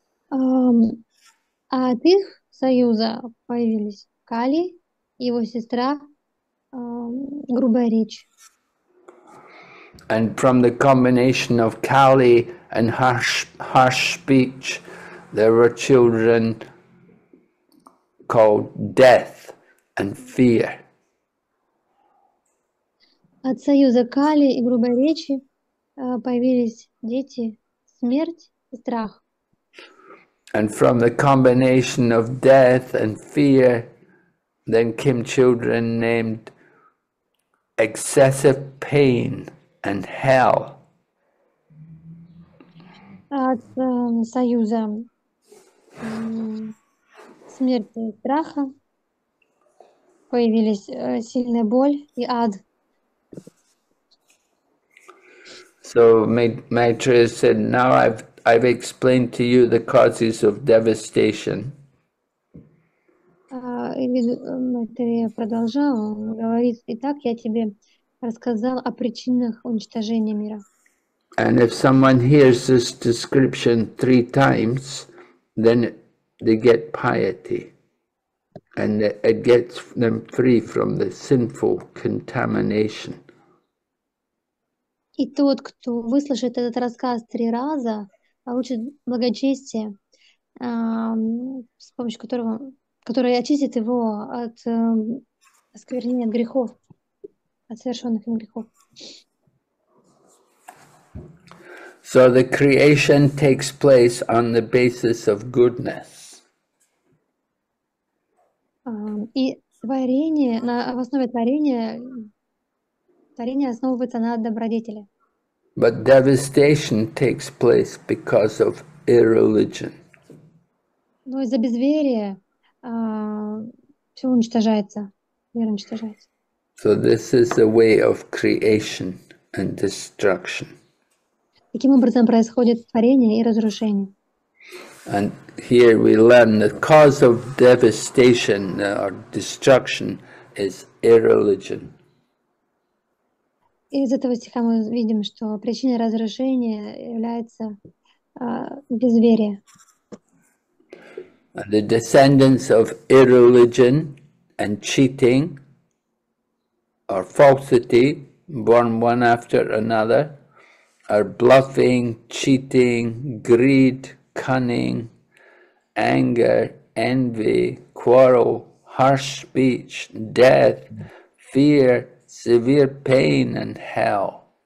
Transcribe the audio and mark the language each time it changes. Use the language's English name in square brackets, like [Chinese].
[Russian] А от их союза появились Кали, его сестра, грубая речь. [English] And from the combination of Kali and harsh speech, there were children called death and fear. [Russian] От союза Кали и грубой речи появились дети, смерть и страх. [English] And from the combination of death and fear, then came children named excessive pain and hell. [Russian] От союза смерти и страха появились сильная боль и ад. [English] Maitreya said, now I've explained to you the causes of devastation. [Russian] Илизу продолжал, он говорит, итак, я тебе рассказал о причинах уничтожения мира. [English] And if someone hears this description three times, then they get piety and it gets them free from the sinful contamination. [Russian] И тот, кто выслушает этот рассказ три раза, получит благочестие, с помощью которое очистит его от осквернения, от грехов, от совершенных им грехов. [English] So the creation takes place on the basis of goodness. [Russian] И творение, в основе творение основывается на добродетели. [English] But devastation takes place because of irreligion. [Russian] Но из-за безверия все уничтожается, мир уничтожается. [English] So this is a way of creation and destruction. [Russian] Таким образом происходит творение и разрушение. [English] And here we learn the cause of devastation or destruction is irreligion. [Russian] И из этого стиха мы видим, что причиной разрушения является безверие. [English] And the descendants of irreligion and cheating or falsity, born one after another, are bluffing, cheating, greed, cunning, anger, envy, quarrel, harsh speech, death, fear, severe pain, and hell.